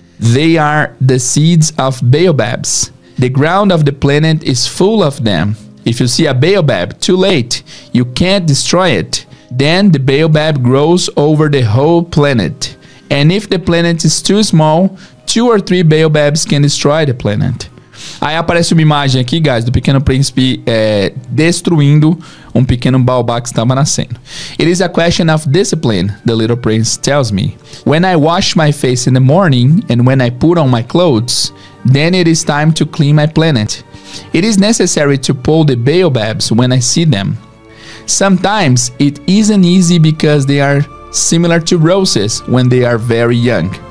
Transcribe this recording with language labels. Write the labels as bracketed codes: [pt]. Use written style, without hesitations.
[en] They are the seeds of baobabs. The ground of the planet is full of them. If you see a baobab too late, you can't destroy it. Then the baobab grows over the whole planet. And if the planet is too small, two or three baobabs can destroy the planet. [pt] Aí aparece uma imagem aqui, guys, do Pequeno Príncipe destruindo um pequeno baobá que estava nascendo. [en] It is a question of discipline, the little prince tells me. When I wash my face in the morning and when I put on my clothes, then it is time to clean my planet. It is necessary to pull the baobabs when I see them. Sometimes it isn't easy because they are similar to roses when they are very young.